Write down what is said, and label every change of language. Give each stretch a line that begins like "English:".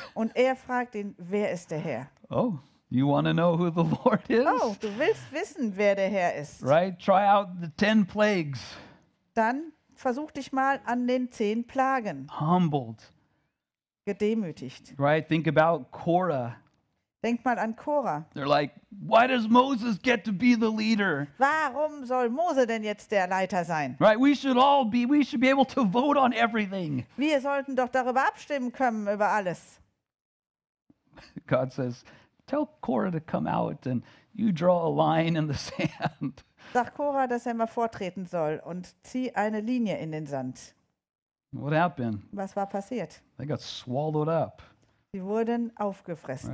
German: Und er fragt ihn, wer ist der Herr?
English: Oh, you want to know who the Lord is?
German: Oh, du willst wissen, wer der Herr ist.
English: Right? Try out the 10 plagues.
German: Dann versuch dich mal an den 10 Plagen.
English: Humbled.
German: Gedemütigt.
English: Right? Think about Korah.
German: Denk mal an Korah.
English: They're like, why does Moses get to be the leader?
German: Warum soll Mose denn jetzt der Leiter sein?
English: Right, we should be able to vote on everything.
German: Wir sollten doch darüber abstimmen können über alles.
English: God says, tell Korah to come out and you draw a line in the sand.
German: Sag Korah, dass er mal vortreten soll und zieh eine Linie in den Sand.
English: What happened?
German: Was war passiert?
English: They got swallowed up.
German: Sie wurden aufgefressen.